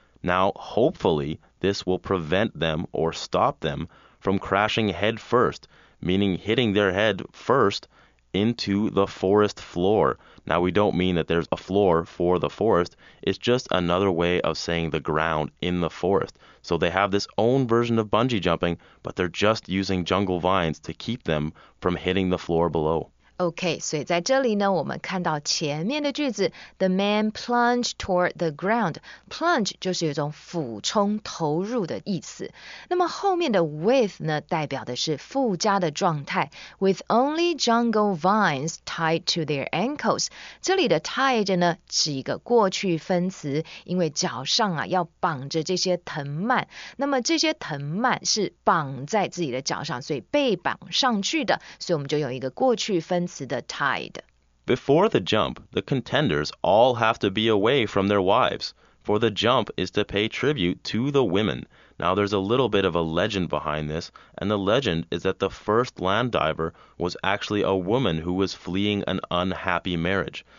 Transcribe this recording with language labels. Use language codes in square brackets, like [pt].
[en] Now hopefully this will prevent them or stop themfrom crashing head first, meaning hitting their head first into the forest floor. Now, we don't mean that there's a floor for the forest. It's just another way of saying the ground in the forest. So they have this own version of bungee jumping, but they're just using jungle vines to keep them from hitting the floor below. [zh] OK, 所以在这里呢，我们看到前面的句子 , [en] the man plunged toward the ground, [zh] plunge 就是有一种俯冲投入的意思。那么后面的 with 呢，代表的是附加的状态 , [en] with only jungle vines tied to their ankles, [zh] 这里的 tied 呢，是一个过去分词，因为脚上啊，要绑着这些藤蔓，那么这些藤蔓是绑在自己的脚上，所以被绑上去的，所以我们就用一个过去分词。 [en] Before the jump, the contenders all have to be away from their wives, for the jump is to pay tribute to the women. Now there's a little bit of a legend behind this, and the legend is that the first land diver was actually a woman who was fleeing an unhappy marriage.